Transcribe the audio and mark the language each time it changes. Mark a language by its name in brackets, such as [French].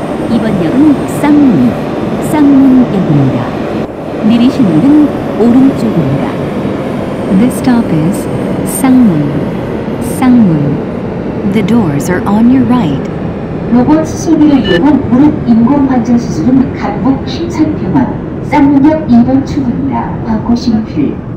[Korean] 이번 역은 쌍문, 쌍문역입니다. 내리실 문은 오른쪽입니다. [English] This stop is 쌍문, 쌍문. The doors are on your right. [Korean] 로봇 수술기를 이용한 무릎 인공 관절 수술은 간복 13평원, 쌍문역 2번 출구입니다. 받고 싶을.